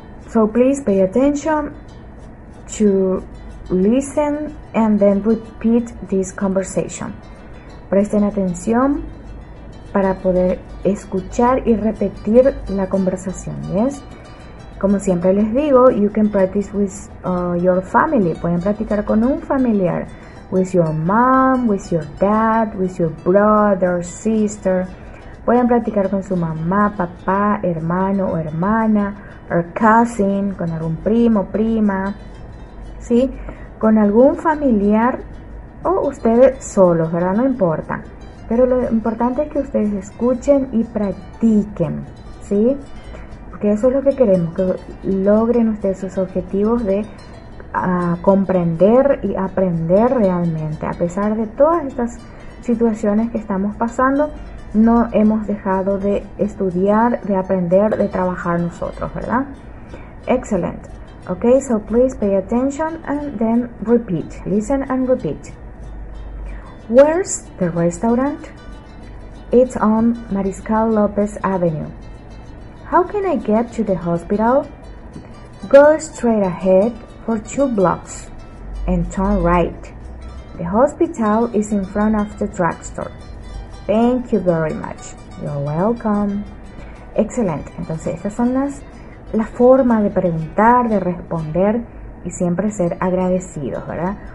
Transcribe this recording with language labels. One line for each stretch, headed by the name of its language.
English: So please pay attention to listen and then repeat this conversation.
Spanish: Presten atención para poder escuchar y repetir la conversación, ¿yes? Como siempre les digo,
English: you can practice with your family.
Spanish: Pueden practicar con un familiar.
English: With your mom, with your dad, with your brother, sister.
Spanish: Pueden practicar con su mamá, papá, hermano o hermana,
English: or cousin,
Spanish: con algún primo, prima, ¿sí? Con algún familiar o ustedes solos, ¿verdad? No importa. Pero lo importante es que ustedes escuchen y practiquen, ¿sí? Porque eso es lo que queremos, que logren ustedes sus objetivos de comprender y aprender realmente. A pesar de todas estas situaciones que estamos pasando, no hemos dejado de estudiar, de aprender, de trabajar nosotros, ¿verdad?
English: Excellent. Okay, so please pay attention and then repeat. Listen and repeat. Where's the restaurant? It's on Mariscal López Avenue. How can I get to the hospital? Go straight ahead for 2 blocks and turn right. The hospital is in front of the drugstore. Thank you very much. You're welcome. Excellent.
Spanish: Entonces, estas son la forma de preguntar, de responder y siempre ser agradecidos, ¿verdad?